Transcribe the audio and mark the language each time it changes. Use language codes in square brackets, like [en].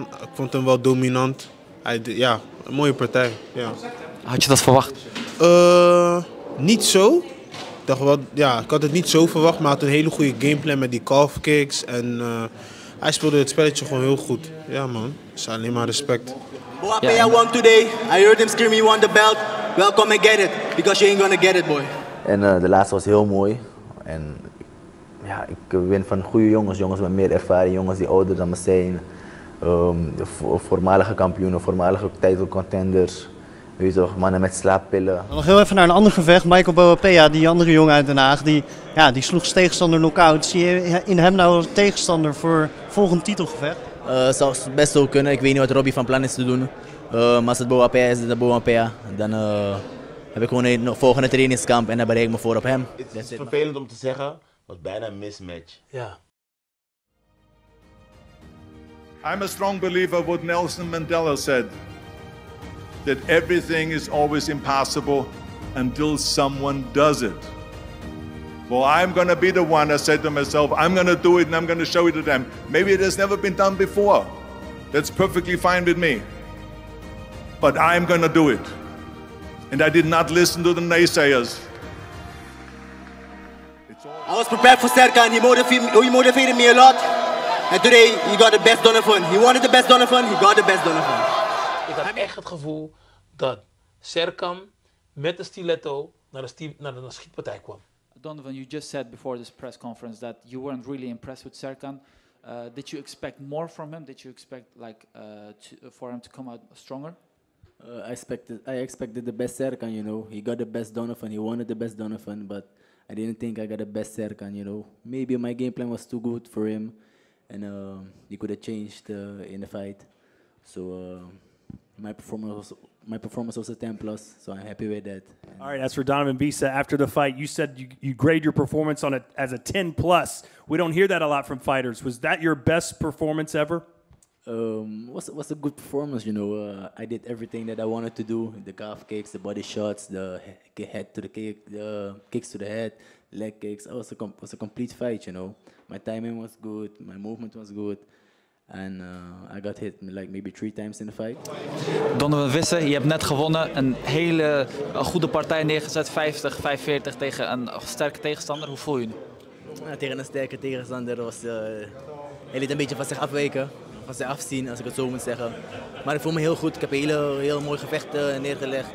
[nl] Ik vond hem wel dominant. Een mooie partij, ja. Had je dat verwacht? Niet zo. Ik had het niet zo verwacht, maar hij had een hele goede gameplan met die calf kicks. En hij speelde het spelletje gewoon heel goed. Ja, man. Dus alleen maar respect. [en] Boa Peya won today. I heard him scream, you won the belt. Welcome and get it. Because you ain't gonna get it, boy. [nl] En de laatste was heel mooi. En ja, ik win van goede jongens. Jongens met meer ervaring. Jongens die ouder dan me zijn. Voormalige kampioenen, voormalige titelcontenders. Weet je toch, mannen met slaappillen. Nog heel even naar een ander gevecht. Michael Boa Peya, die andere jongen uit Den Haag. Die sloeg zijn tegenstander knock-out. Zie je in hem nou een tegenstander voor volgend titelgevecht? Het zou best wel kunnen. Ik weet niet wat Robbie van plan is te doen. Maar als het Boa Peya is, dan Boa Peya. Dan heb ik gewoon een volgende trainingskamp en dan bereik ik me voor op hem. Het is vervelend om te zeggen, was bijna een mismatch. Ja. [en] I'm a strong believer of what Nelson Mandela said. That everything is always impossible until someone does it. Well, I'm going to be the one that said to myself, I'm going to do it and I'm going to show it to them. Maybe it has never been done before. That's perfectly fine with me. But I'm going to do it. And I did not listen to the naysayers. I was prepared for Serkan. He motivated me a lot. And today, he got the best Donovan. He wanted the best Donovan. He got the best Donovan. [nl] Ik had echt het gevoel dat Serkan met de stiletto naar de schietpartij kwam. [en] Donovan, you just said before this press conference that you weren't really impressed with Serkan. Did you expect more from him? Did you expect for him to come out stronger? I expected the best Serkan, you know. He got the best Donovan. He wanted the best Donovan, but I didn't think I got the best Serkan, you know. Maybe my game plan was too good for him, and he could have changed in the fight. So my performance was a 10+, so I'm happy with that. All right, as for Donovan Bisa, after the fight, you said you grade your performance on it as a 10+. We don't hear that a lot from fighters. Was that your best performance ever? Was a good performance, you know. I did everything that I wanted to do, the calf kicks, the body shots, the head to the kick, the kicks to the head, leg kicks. It was a complete fight, you know. My timing was good, my movement was good. En I got hit like maybe 3 times in the fight. [nl] Donovan Wisse, je hebt net gewonnen. Een hele goede partij neergezet. 50-45 tegen een sterke tegenstander. Hoe voel je nu? Ja, tegen een sterke tegenstander was hij liet een beetje van zich afweken. Van zich afzien, als ik het zo moet zeggen. Maar ik voel me heel goed. Ik heb heel mooi gevechten neergelegd.